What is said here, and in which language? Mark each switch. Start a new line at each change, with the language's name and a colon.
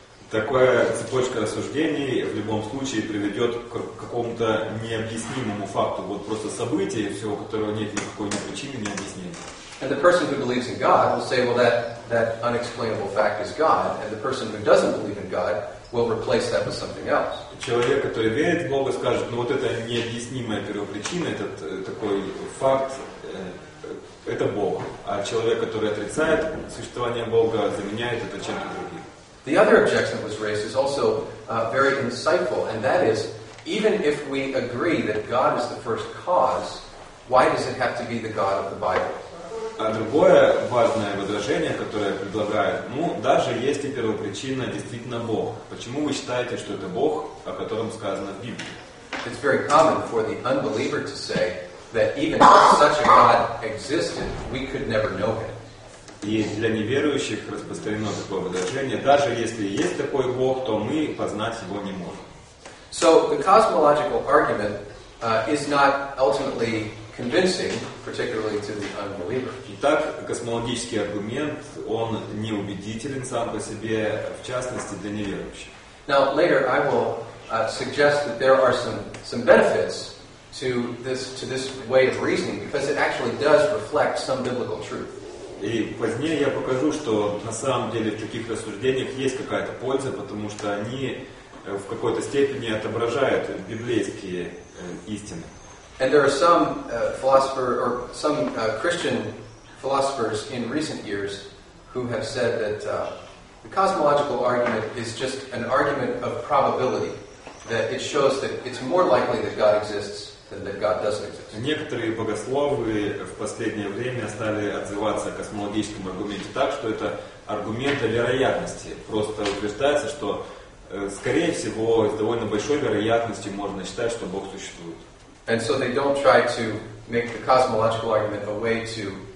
Russian: Такая цепочка рассуждений в любом случае приведет к какому-то необъяснимому факту, вот просто событие, всего которого нет никакой ни причины, ни объяснения.
English: And the person who believes in God will say, well, that unexplainable fact is God. And the person who doesn't believe in God will replace that with something else.
Russian: Человек, который верит в Бога, скажет, ну вот это необъяснимая первопричина, этот такой факт, это Бог. А человек, который отрицает существование Бога, заменяет это чем-то другим.
English: The other objection that was raised is also very insightful. And that is, even if we agree that God is the first cause, why does it have to be the God of the Bible?
Russian: А другое важное возражение, которое предлагает, ну, даже если первопричина действительно Бог, почему вы считаете, что это Бог, о котором сказано в Библии?
English: It's very common for the unbeliever to say that even if such a God existed, we could never know him.
Russian: И для неверующих распространено такое возражение, даже если есть такой Бог, то мы познать его не можем.
English: So the cosmological argument is not ultimately convincing, particularly to the unbeliever.
Russian: Итак, космологический аргумент, он неубедителен сам по себе, в частности, для неверующих.
English: Now, later I will suggest that there are some benefits to this way of reasoning, because it actually does reflect some biblical truth.
Russian: И позднее я покажу, что на самом деле в таких рассуждениях есть какая-то польза, потому что они в какой-то степени отображают библейские истины.
English: And there are some philosophers or some Christian philosophers in recent years who have said that the cosmological argument is just an argument of probability, that it shows that it's more likely that God exists than that God doesn't exist.
Russian: Некоторые богословы в последнее время стали отзываться о космологическом аргументе так, что это аргумент о вероятности. Просто утверждается, что скорее всего, с довольно большой вероятностью можно считать, что Бог существует.
English: And so they don't try to make the cosmological argument a way to